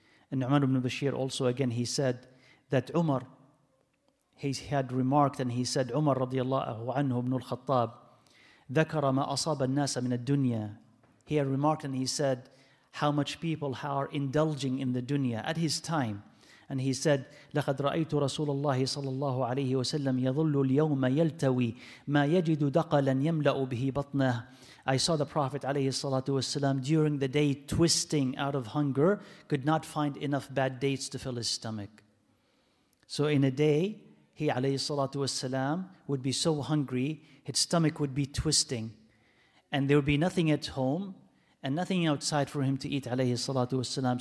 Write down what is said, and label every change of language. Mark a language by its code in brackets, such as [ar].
[en] And Nu'man ibn Bashir also, again, he said that Umar, he had remarked, and he said, Umar radiallahu anhu ibn al-Khattab, [ar] ذَكَرَ مَا أَصَابَ النَّاسَ مِنَ الدُّنْيَا. [en] He had remarked and he said how much people are indulging in the dunya at his time. And he said, [ar] لَقَدْ رَأَيْتُ رَسُولَ اللَّهِ صَلَى اللَّهُ عَلَيْهِ وَسَلَّمْ يَظُلُّ الْيَوْمَ يَلْتَوِي مَا يَجِدُ دَقَلًا يَمْلَأُ بِهِ بَطْنَهُ. [en] I saw the Prophet ﷺ during the day twisting out of hunger, could not find enough bad dates to fill his stomach. So in a day, he ﷺ would be so hungry, his stomach would be twisting, and there would be nothing at home and nothing outside for him to eat, alayhi salatu wasalam.